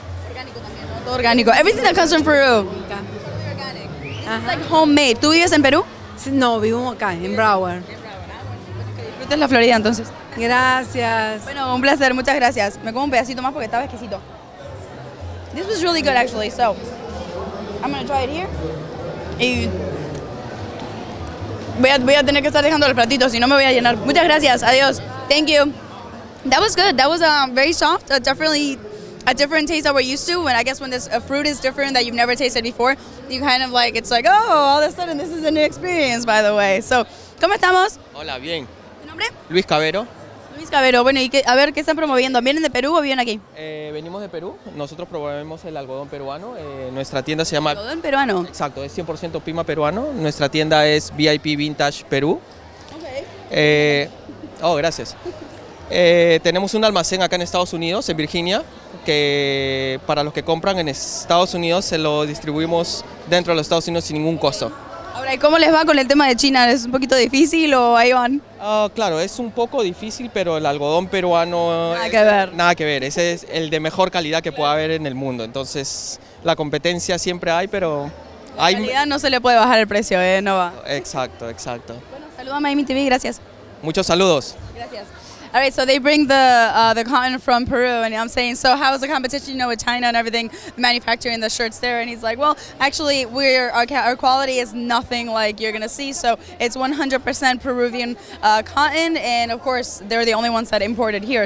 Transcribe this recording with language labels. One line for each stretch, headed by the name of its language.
Spanish: Orgánico también, ¿no? Todo orgánico.
English: Everything that comes from Peru.
Spanish: Es como homemade. ¿Tú vives en Perú? No, vivo acá, en Broward. Disfrutes la Florida entonces. Gracias. Bueno, un placer, muchas gracias. Me como un pedacito más porque estaba exquisito.
English: This was really good actually, so I'm gonna try it here.
Spanish: Y voy a tener que estar dejando los platitos, si no me voy a llenar. Muchas gracias, adiós.
English: Thank you. That was good, that was very soft. Definitely a different taste that we're used to, when I guess when this fruit is different that you've never tasted before, you kind of like, it's like, oh, all of a sudden this is a new experience, by the way.
Spanish: So, ¿cómo estamos? Hola, bien. ¿Tu nombre? Luis Cabero. Luis Cabero, bueno, y a ver, ¿qué están promoviendo? ¿Vienen de Perú o vienen aquí? Venimos de Perú, nosotros promovemos el algodón peruano, nuestra tienda se llama... ¿Algodón peruano? Exacto, es 100% Pima peruano, nuestra tienda es VIP Vintage Perú. Ok. Oh, gracias. Tenemos un almacén acá en Estados Unidos, en Virginia, que para los que compran en Estados Unidos se lo distribuimos dentro de los Estados Unidos sin ningún costo. Ahora, ¿y cómo les va con el tema de China? ¿Es un poquito difícil o ahí van? Claro, es un poco difícil, pero el algodón peruano... Nada que ver, ese es el de mejor calidad que puede haber en el mundo. Entonces, la competencia siempre hay, pero... En realidad no se le puede bajar el precio, no va. Exacto, exacto. Bueno, saludos a Miami TV, gracias. Muchos saludos. Gracias.
English: All right, so they bring the cotton from Peru, and I'm saying, so how was the competition, you know, with China and everything, manufacturing the shirts there? And he's like, well, actually, our quality is nothing like you're going to see. So it's 100% Peruvian cotton, and of course, they're the only ones that imported here.